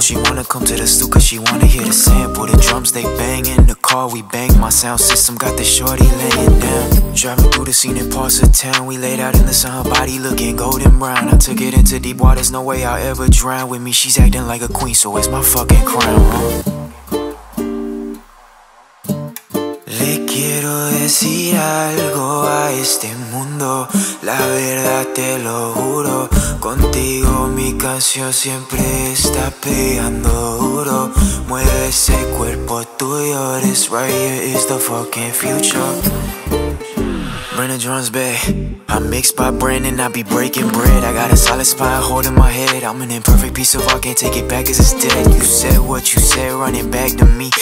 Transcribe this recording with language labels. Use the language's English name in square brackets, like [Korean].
[English] She wanna come to the stoop cause she wanna hear the sample. The drums, they banging, the car, we bang myself. Sound system got the shorty laying down. Driving through the scenic parts of town. We laid out in the sun, her body looking golden brown. I took it into deep waters, no way I'll ever drown. With me, she's acting like a queen, so it's my fucking crown. [Spanish] Le quiero decir algo a este mundo. La verdad te lo juro. Contigo mi canción siempre está pegando duro. Mueve ese cuerpo tuyo. [English] This right here is the fucking future. Brenna drums back. I'm mixed by Brennan, I be breaking bread. I got a solid spine holding my head. I'm an imperfect piece of art, can't take it back cause it's dead. You said what you said, running back to me.